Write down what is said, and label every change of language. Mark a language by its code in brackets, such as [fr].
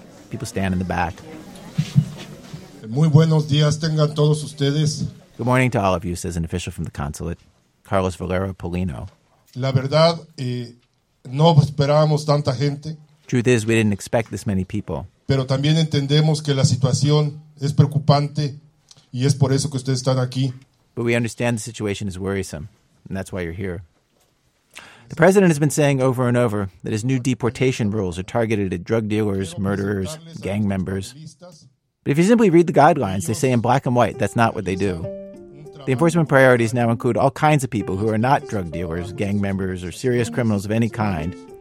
[en] People stand in the back. [es] Muy buenos días tengan todos ustedes. [en] Good morning to all of you, says an official from the consulate, Carlos Valero Polino. [es] La verdad, no esperábamos tanta gente. [en] Truth is, we didn't expect this many people. [es] Pero también entendemos que la situación es preocupante y es por eso que ustedes están aquí. [en] But we understand the situation is worrisome, and that's why you're here. The president has been saying over and over that his new deportation rules are targeted at drug dealers, murderers, gang members. But if you simply read the guidelines, they say in black and white, that's not what they do. The enforcement priorities now include all kinds of people who are not drug dealers, gang members, or serious criminals of any kind.